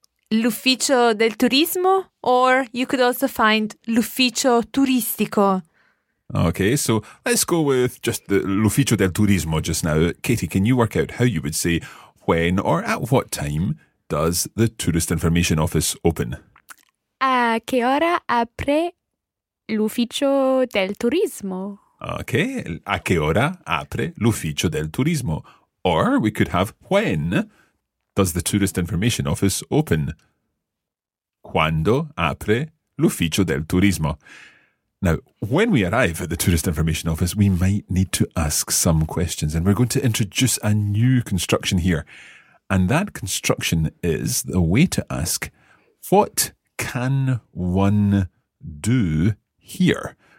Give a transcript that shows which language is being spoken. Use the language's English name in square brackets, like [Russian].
[Italian] L'ufficio del turismo, [English] or you could also find [Italian] l'ufficio turistico. [English] Okay, so let's go with just the l'ufficio del turismo just now. Katie, can you work out how you would say when or at what time does the tourist information office open? [Italian] A che ora apre l'ufficio del turismo? Okay, a che ora apre l'ufficio del turismo? [English] Or we could have when does the tourist information office open? [Italian] Quando apre l'ufficio del turismo? [English] Now, when we arrive at the Tourist Information Office, we might need to ask some questions. And we're going to introduce a new construction here. And that construction is the way to ask, what can one do here?